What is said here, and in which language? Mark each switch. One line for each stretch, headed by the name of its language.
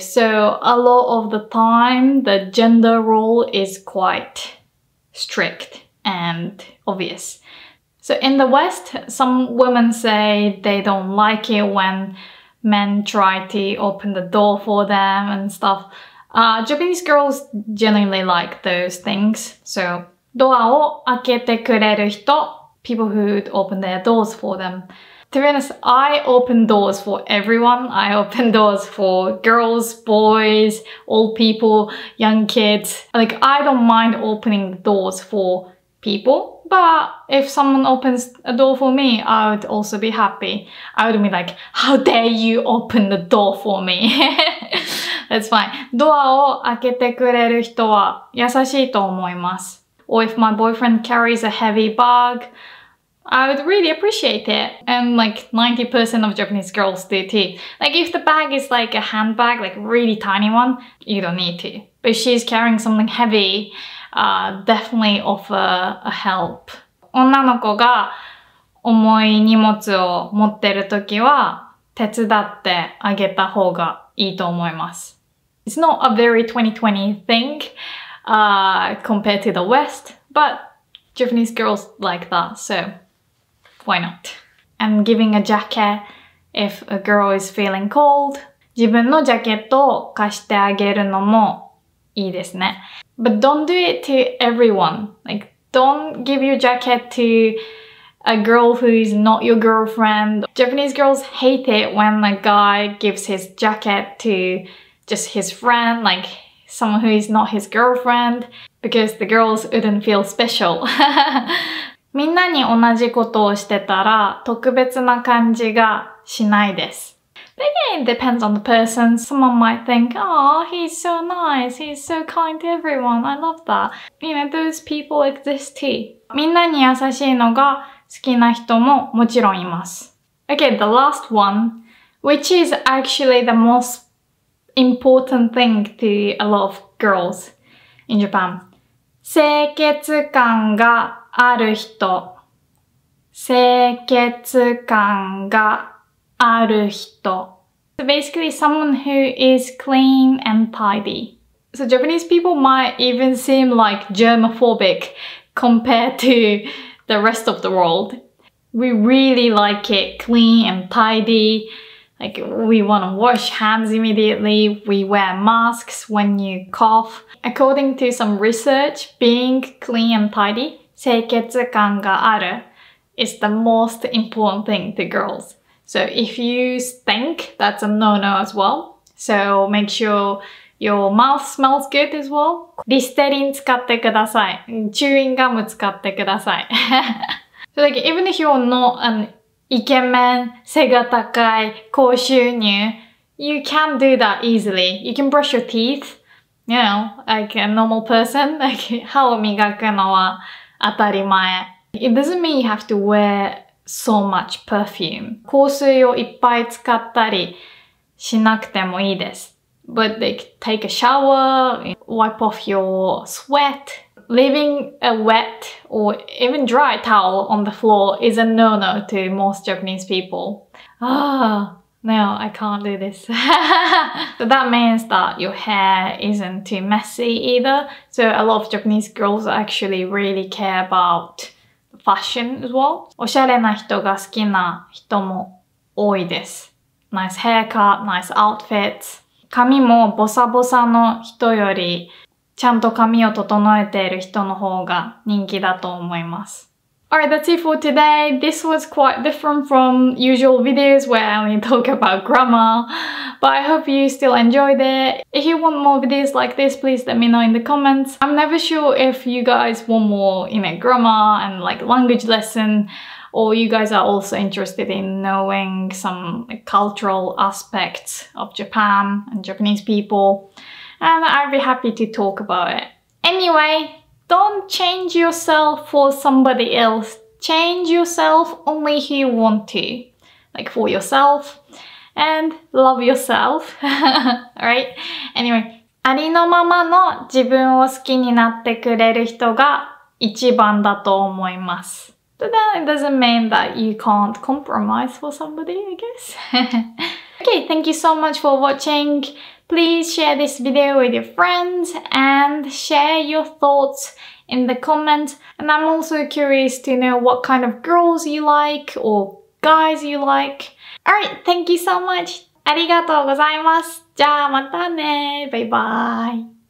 English: So, a lot of the time, the gender role is quite strict and obvious. So, in the West, some women say they don't like it when men try to open the door for them and stuff. Japanese girls generally like those things. So,
Japanese: ドアを開けてくれる人
English: people who open their doors for them. To be honest, I open doors for everyone. I open doors for girls, boys, old people, young kids. Like, I don't mind opening doors for people. But if someone opens a door for me, I would also be happy. I would be like, how dare you open the door for me? That's fine.
Japanese: ドアを開けてくれる人は優しいと思います。
English: Or if my boyfriend carries a heavy bag, I would really appreciate it. And like 90% of Japanese girls do too. Like if the bag is like a handbag, like really tiny one, you don't need to. But if she's carrying something heavy, definitely offer a help.
Japanese: 女の子が重い荷物を持ってる時は手伝ってあげた方がいいと思います。
English: It's not a very 2020 thing. Compared to the West, but Japanese girls like that, so why not? And giving a jacket if a girl is feeling cold.
Japanese: 自分のジャケットを貸してあげるのもいいですね。
English: But don't do it to everyone. Like, don't give your jacket to a girl who is not your girlfriend. Japanese girls hate it when a guy gives his jacket to just his friend, likeSomeone who is not his girlfriend, because the girls wouldn't feel special.
Japanese: みんなに同じことをしてたら特別な感じがしないです。
English: But yeah, it depends on the person. Someone might think, oh, he's so nice. He's so kind to everyone. I love that. You know, those people exist too.
Japanese: みんなに優しいのが好きな人ももちろんいます。
English: Okay, the last one, which is actually the most important thing to a lot of girls in Japan.
Japanese: 清潔感がある人。清潔感がある人。
English: So basically someone who is clean and tidy. So Japanese people might even seem like germophobic compared to the rest of the world. We really like it clean and tidy. Like we want to wash hands immediately. We wear masks when you cough. According to some research, being clean and tidy,
Japanese: 清潔感がある
English: is the most important thing to girls. So if you stink, that's a no-no as well. So make sure your mouth smells good as well.
Japanese: リステリン使ってください。チューインガム使ってください。
English: So like, even if you're not an
Japanese: イケメン、背が高い、高収入、
English: you can do that easily. You can brush your teeth, you know, like a normal person.
Japanese: Like, 歯を磨くのは当たり前。
English: It doesn't mean you have to wearSo much perfume.
Japanese: 香水をいっぱい使ったりしなくてもいいです。
English: But like, take a shower, wipe off your sweat. Leaving a wet or even dry towel on the floor is a no-no to most Japanese people. Ah, no, I can't do this. So that means that your hair isn't too messy either. So a lot of Japanese girls actually really care aboutfashion as well.
Japanese: おしゃれな人が好きな人も多いです。
English: Nice haircut, nice outfits.
Japanese: 髪もボサボサの人よりちゃんと髪を整えている人の方が人気だと思います。
English: Alright, that's it for today. This was quite different from usual videos where I only talk about grammar. But I hope you still enjoyed it. If you want more videos like this, please let me know in the comments. I'm never sure if you guys want more, you know, grammar and like language lesson, or you guys are also interested in knowing some cultural aspects of Japan and Japanese people. And I'd be happy to talk about it. Anyway! Don't change yourself for somebody else. Change yourself only if you want to. Like for yourself. And love yourself. Alright? Anyway.
Japanese: ありのままの自分を好きになってくれる人が一番だと思います。
English: But then it doesn't mean that you can't compromise for somebody, I guess. Okay, thank you so much for watching. Please share this video with your friends and share your thoughts in the comments. And I'm also curious to know what kind of girls you like or guys you like. Alright, thank you so much.
Japanese: ありがとうございます。じゃあまたね。バイバイ。